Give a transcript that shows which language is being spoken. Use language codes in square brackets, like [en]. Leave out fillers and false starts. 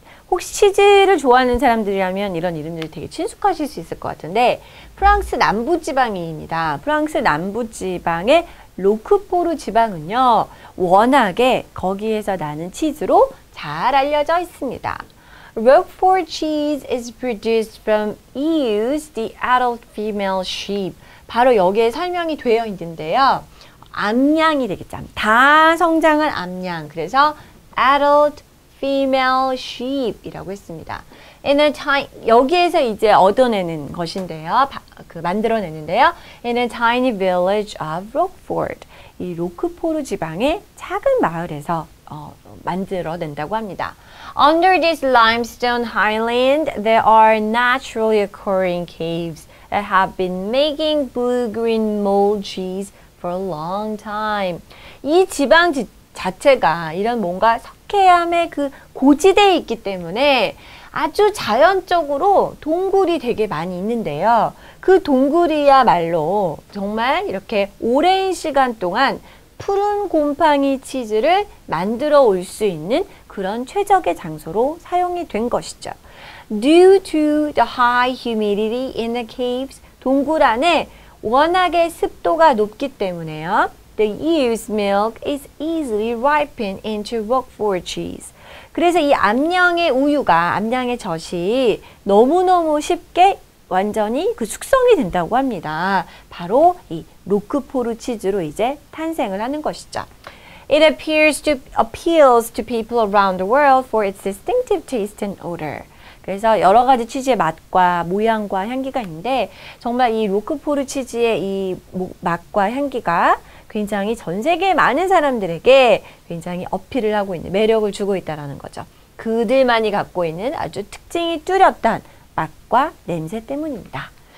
[ko] 혹시 치즈를 좋아하는 사람들이라면 이런 이름들이 되게 친숙하실 수 있을 것 같은데 프랑스 남부 지방입니다. 프랑스 남부 지방의 로크포르 지방은요. 워낙에 거기에서 나는 치즈로 잘 알려져 있습니다. [en] Roquefort cheese is produced from ewes, the adult female sheep. [ko] 바로 여기에 설명이 되어 있는데요. 암양이 되겠죠. 다 성장한 암양. 그래서 [en] adult female sheep [ko] 이라고 했습니다. [en] In a tiny [ko] 여기에서 이제 얻어내는 것인데요. 만들어내는데요. [en] In a tiny village of Roquefort. [ko] 이 로크포르 지방의 작은 마을에서 만들어낸다고 합니다. [en] Under this limestone highland there are naturally occurring caves that have been making blue-green mold cheese for a long time. [ko] 이 지방 자체가 이런 뭔가 석회암의 그 고지대에 있기 때문에 아주 자연적으로 동굴이 되게 많이 있는데요. 그 동굴이야말로 정말 이렇게 오랜 시간 동안 푸른 곰팡이 치즈를 만들어 올 수 있는 그런 최적의 장소로 사용이 된 것이죠. [en] Due to the high humidity in the caves, [ko] 동굴 안에 워낙에 습도가 높기 때문에요. [en] The ewe's milk is easily ripened into Roquefort cheese. [ko] 그래서 이 암양의 우유가, 암양의 젖이 너무너무 쉽게 완전히 그 숙성이 된다고 합니다. 바로 이 로크포르 치즈로 이제 탄생을 하는 것이죠. [en] It appeals to people around the world for its distinctive taste and odor. [ko] 그래서 여러 가지 치즈의 맛과 모양과 향기가 있는데 정말 이 로크포르 치즈의 이 맛과 향기가 굉장히 전 세계의 많은 사람들에게 굉장히 어필을 하고 있는 매력을 주고 있다는 거죠. 그들만이 갖고 있는 아주 특징이 뚜렷한 맛과 냄새 때문입니다.